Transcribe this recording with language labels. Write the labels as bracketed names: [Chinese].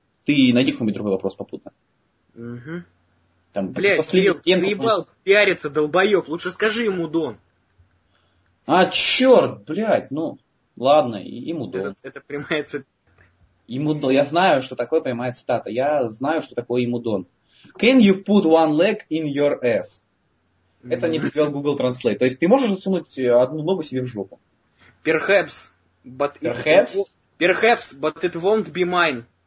[Russian] Ты найди какой-нибудь другой вопрос попутно. Угу. Там, блядь, Кирилл, стенку, заебал просто... пиариться, долбоёб. Лучше скажи ему, Дон. А, черт, блядь, ну, ладно, ему Дон. Это прямая цитата. Ему Дон, я знаю, что такое прямая цитата. Я знаю, что такое ему Дон. [English] Can you put one leg in your ass? [Russian] Это не перевел Google Translate. То есть, ты можешь засунуть одну ногу себе в жопу? [English] Perhaps, but it won't be mine.